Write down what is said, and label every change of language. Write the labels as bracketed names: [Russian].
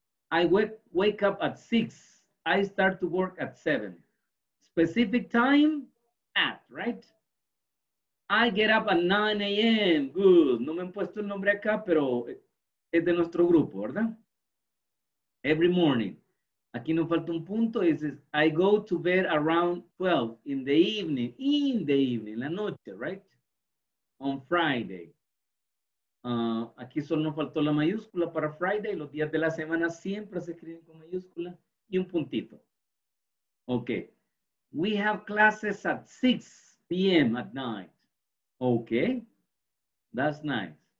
[English] I wake up at 6. I start to work at 7. Specific time? At, right? I get up at 9 a.m. Good. [Spanish] No me han puesto el nombre acá, pero es de nuestro grupo, ¿verdad? [English] Every morning. [Spanish] Aquí nos falta un punto. [English] It says, I go to bed around 12 in the evening. In the evening, [Spanish] la noche, [English] right? On Friday. [Spanish] Aquí solo nos faltó la mayúscula para Friday. Los días de la semana siempre se escriben con mayúscula y un puntito. [English] Okay. We have classes at 6 p.m. at night. Okay. That's nice.